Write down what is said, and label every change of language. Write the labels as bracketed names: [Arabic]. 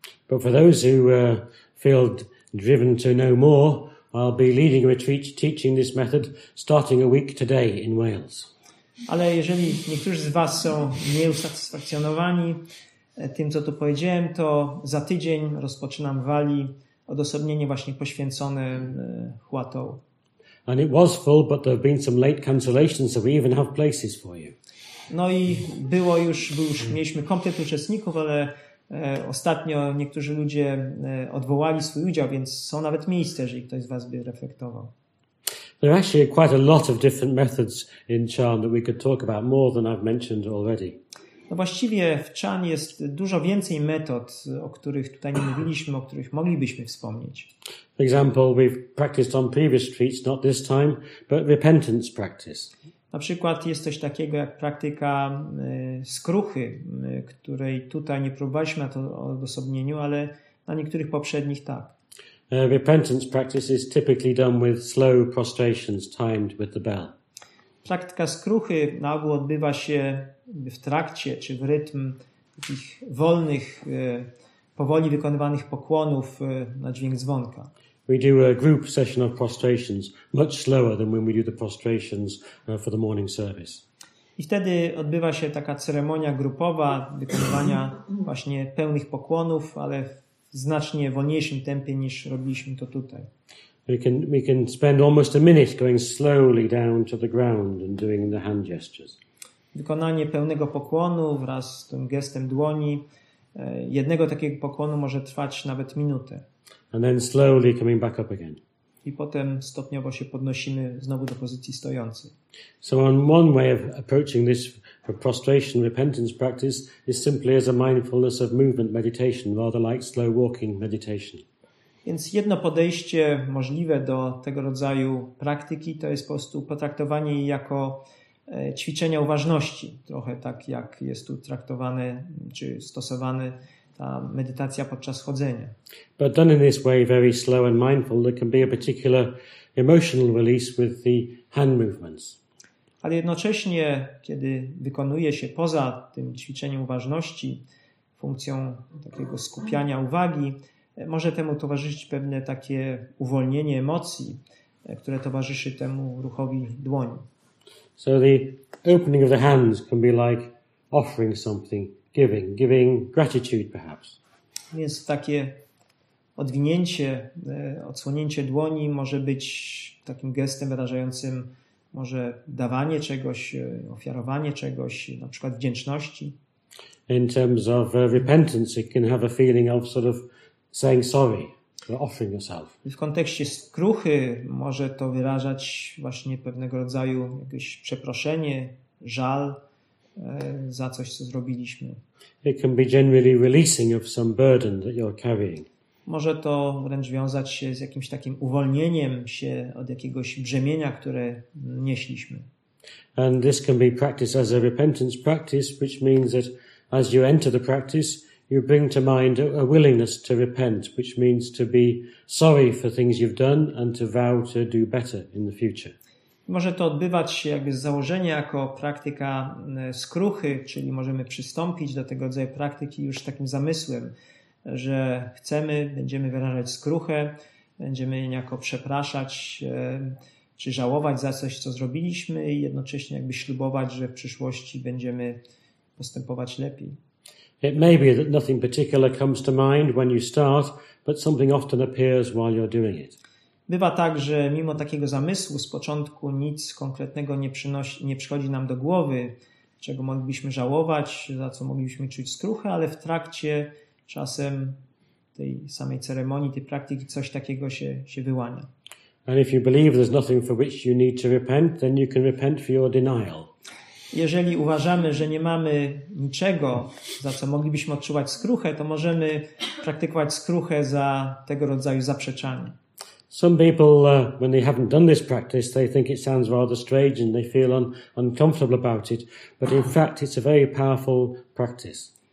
[English] But for those who feel driven to know more, I'll be leading a retreat teaching this method starting a week today in Wales. [Polish] Ale jeżeli niektórzy z Was są nieusatysfakcjonowani tym, co tu powiedziałem, to za tydzień rozpoczynam w Walii odosobnienie właśnie poświęcone huato. [English] And it was full, but there have been some late cancellations, so we even have places for you. [Polish] No i było już, mieliśmy komplet uczestników, ale ostatnio niektórzy ludzie odwołali swój udział, więc są nawet miejsca, jeżeli ktoś z Was by reflektował. [English] There are actually quite a lot of different methods in Chan that we could talk about more than I've mentioned already. [Polish] No właściwie w Chan jest dużo więcej metod, o których tutaj nie mówiliśmy, o których moglibyśmy wspomnieć. [English] For example, we've practiced on previous retreats, not this time, but repentance practice. [Polish] Na przykład jest coś takiego jak praktyka skruchy, której tutaj nie próbowaliśmy na to odosobnieniu, ale na niektórych poprzednich tak. [English] Repentance practice is typically done with slow prostrations timed with the bell. [Polish] Praktyka skruchy na ogół odbywa się w trakcie czy w rytm takich wolnych, powoli wykonywanych pokłonów na dźwięk dzwonka. [English] We do a group session of prostrations, much slower than when we do the prostrations for the morning service. [Polish] I wtedy odbywa się taka ceremonia grupowa wykonywania właśnie pełnych pokłonów, ale w znacznie wolniejszym tempie niż robiliśmy to tutaj. [English] We can spend almost a minute going slowly down to the ground and doing the hand gestures. [Polish] Wykonanie pełnego pokłonu wraz z tym gestem dłoni, jednego takiego pokłonu może trwać nawet minutę. [English] And then slowly coming back up again. [Polish] I potem stopniowo się podnosimy znowu do pozycji stojącej. [English] So one way of approaching this prostration repentance practice is simply as a mindfulness of movement meditation, rather like slow walking meditation. [Polish] Więc jedno podejście możliwe do tego rodzaju praktyki to jest po prostu potraktowanie jej jako ćwiczenia uważności, trochę tak jak jest tu traktowane czy stosowane ta medytacja podczas chodzenia. [English] But done in this way, very slow and mindful, there can be a particular emotional release with the hand movements. [Polish] Ale jednocześnie, kiedy wykonuje się poza tym ćwiczeniem uważności, funkcją takiego skupiania uwagi, może temu towarzyszyć pewne takie uwolnienie emocji, które towarzyszy temu ruchowi dłoni. [English] So the opening of the hands can be like offering something. Giving gratitude perhaps. [Polish] Więc takie odwinięcie, odsłonięcie dłoni może być takim gestem wyrażającym może dawanie czegoś, ofiarowanie czegoś, na przykład wdzięczności. [English] In terms of repentance, it can have a feeling of sort of saying sorry, offering yourself. [Polish] W kontekście skruchy może to wyrażać właśnie pewnego rodzaju jakieś przeproszenie, żal za coś, co zrobiliśmy. [English] It can be generally releasing of some burden that you're carrying. [Polish] Może to wręcz wiązać się z jakimś takim uwolnieniem się od jakiegoś brzemienia, które nieśliśmy. [English] And this can be practiced as a repentance practice, which means that as you enter the practice, you bring to mind a willingness to repent, which means to be sorry for things you've done and to vow to do better in the future. [Polish] Może to odbywać się jakby z założenia jako praktyka skruchy, czyli możemy przystąpić do tego rodzaju praktyki już z takim zamysłem, że chcemy, będziemy wyrażać skruchę, będziemy niejako przepraszać czy żałować za coś, co zrobiliśmy i jednocześnie jakby ślubować, że w przyszłości będziemy postępować lepiej. [English] It may be that nothing particular comes to mind when you start, but something often appears while you're doing it. [Polish] Bywa tak, że mimo takiego zamysłu z początku nic konkretnego nie przychodzi nam do głowy, czego moglibyśmy żałować, za co moglibyśmy czuć skruchę, ale w trakcie czasem tej samej ceremonii, tej praktyki coś takiego się wyłania. [English] And if you believe there's nothing for which you need to repent, then you can repent for your denial. [Polish] Jeżeli uważamy, że nie mamy niczego, za co moglibyśmy odczuwać skruchę, to możemy praktykować skruchę za tego rodzaju zaprzeczanie. [English] Some people, when they haven't done this practice, they think it sounds rather strange and they feel uncomfortable about it. But in fact, it's a very powerful practice.